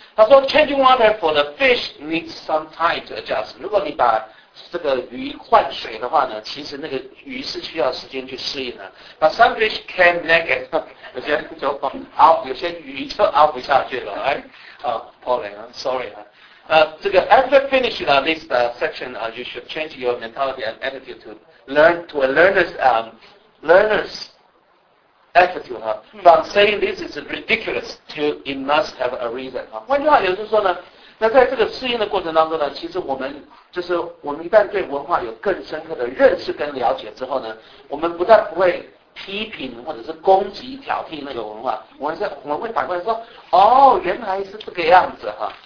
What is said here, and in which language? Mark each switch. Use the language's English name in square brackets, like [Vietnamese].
[Chinese] 他说 [English] ，changing water for the fish needs some time to adjust。 [Chinese] 如果你把这个鱼换水的话呢，其实那个鱼是需要时间去适应的。 [English] But some fish can't make it， [Chinese] 有些就熬，有些鱼就熬不下去了。哎，啊 ，Pauline， [English] sorry [Chinese] 啊。这个 [English] after finish this section， you should change your mentality and attitude to learn to a learner's attitude、from saying this is ridiculous to it must have a reason。 [Chinese] 换句话也就是说呢，那在这个适应的过程当中呢，其实我们。就是我们一旦对文化有更深刻的认识跟了解之后呢，我们不但不会批评或者是攻击挑剔那个文化，我们会反过来说，哦，原来是这个样子哈。